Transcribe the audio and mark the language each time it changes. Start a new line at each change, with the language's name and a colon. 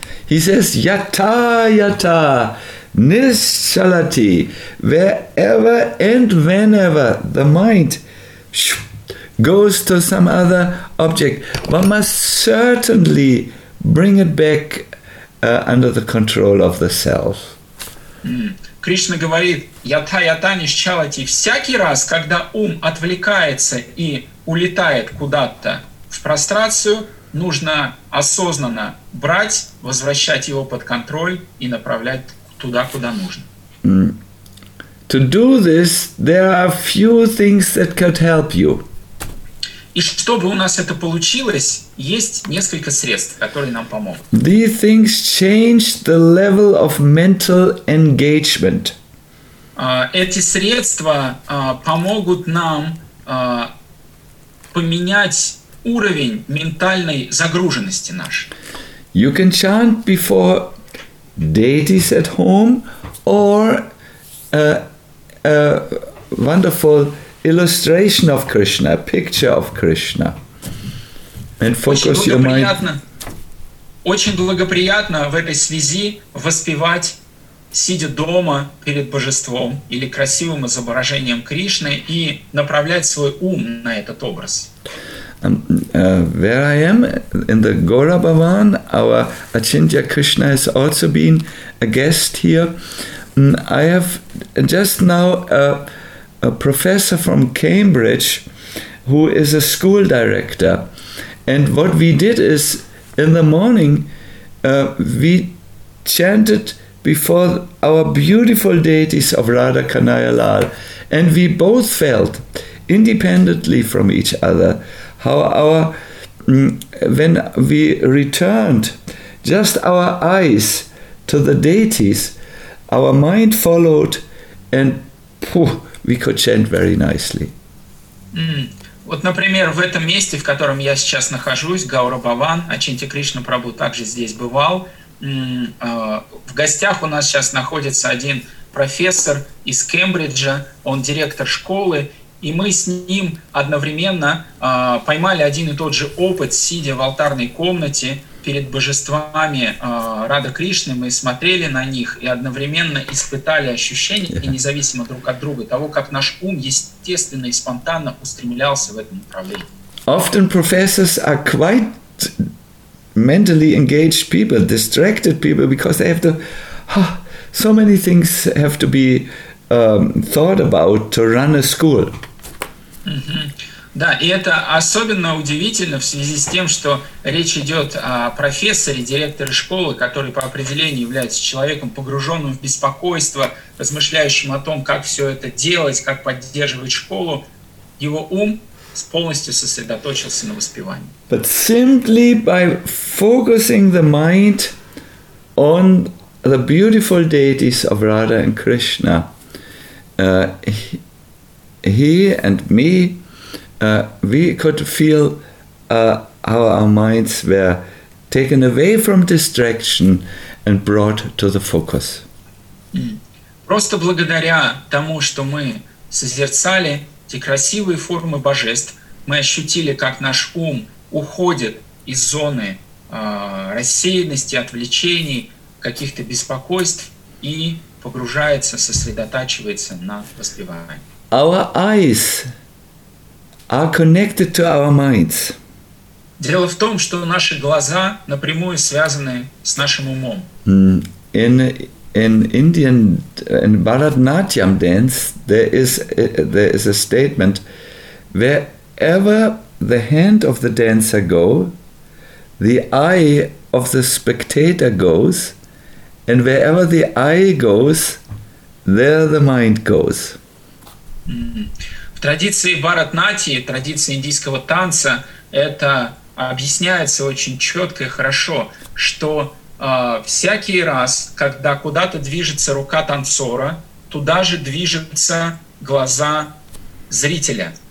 English: He says,
Sanskrit: yata, yata, nishalati,
English: wherever and whenever the mind goes to some other object, one must certainly bring it back under the control of the self.
Russian: Кришна говорит,
Sanskrit: ята-ята нишчалати,
Russian: всякий раз, когда ум отвлекается и улетает куда-то в прострацию, нужно осознанно брать, возвращать его под контроль и направлять туда, куда нужно.
English: To do this, there are a few things that could help you.
Russian: И чтобы у нас это получилось, есть несколько средств, которые нам помогут.
English: These things change the level of mental engagement.
Russian: Эти средства помогут нам поменять уровень ментальной загруженности нашей.
English: You can chant before deities at home or a wonderful illustration of Krishna, picture of Krishna, and focus your mind.
Russian: Очень благоприятно в этой связи воспевать, сидя дома перед божеством или красивым изображением Кришны и направлять свой ум на этот образ.
English: Where I am in the Gaura Bhavan, our Achintya Krishna has also been a guest here. I have just now a professor from Cambridge who is a school director. And what we did is in the morning we chanted before our beautiful deities of Radha Kanhaiya Lal, and we both felt independently from each other how our, when we returned, just our eyes to the deities, our mind followed, and we could chant very nicely.
Russian: Вот, например, в этом месте, в котором я сейчас нахожусь, Гаура Бхаван, Ачинтья Кришна Прабху также здесь бывал. В гостях у нас сейчас находится один профессор из Кембриджа, он директор школы, и мы с ним одновременно поймали один и тот же опыт, сидя в алтарной комнате перед божествами Рада Кришны, мы смотрели на них и одновременно испытали ощущения, независимо друг от друга, того, как наш ум естественно и спонтанно устремлялся в этом направлении.
English: Often professors are quite mentally engaged people, distracted people, because they have to, so many things have to be thought about to run a school.
Russian: Да, и это особенно удивительно в связи с тем, что речь идет о профессоре, директоре школы, который по определению является человеком, погруженным в беспокойство, размышляющим о том, как все это делать, как поддерживать школу. Его ум полностью сосредоточился на воспевании.
English: But simply by focusing the mind on the beautiful deities of Radha and Krishna, he and me, we could feel how our minds were taken away from distraction and brought to the focus.
Russian: Просто благодаря тому, что мы созерцали эти красивые формы божеств, мы ощутили, как наш ум уходит из зоны рассеянности, отвлечений, каких-то беспокойств и погружается, сосредотачивается на воспевании.
English: Our eyes are connected to our minds.
Russian: Дело в том, что наши глаза напрямую связаны с нашим умом.
English: In Indian and in Bharatanatyam dance, there is a statement: wherever the hand of the dancer goes, the eye of the spectator goes, and wherever the eye goes, there the mind goes.
Russian: В традиции Бхаратнатии, традиции индийского танца, это объясняется очень четко и хорошо, что всякий раз, когда куда-то движется рука танцора, туда же движутся глаза зрителя.